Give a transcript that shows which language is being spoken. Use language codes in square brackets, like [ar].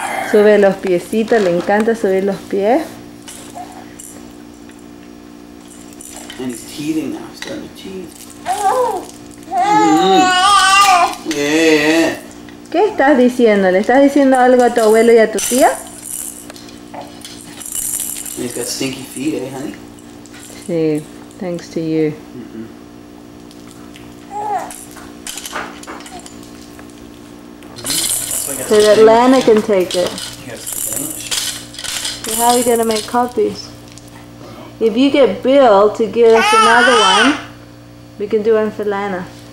[es] Sube los piecitos, le encanta subir los pies. [en] And he's teething now, starting to teeth. Mm. Yeah. [es] ¿Qué estás diciendo? ¿Le estás diciendo algo a tu abuelo y a tu tía? [en] And he's got stinky feet, eh, honey? [es] Sí, [en] thanks to you. So that Lana can take it. So how are we going to make copies? If you get Bill to give us another one, we can do one for Lana.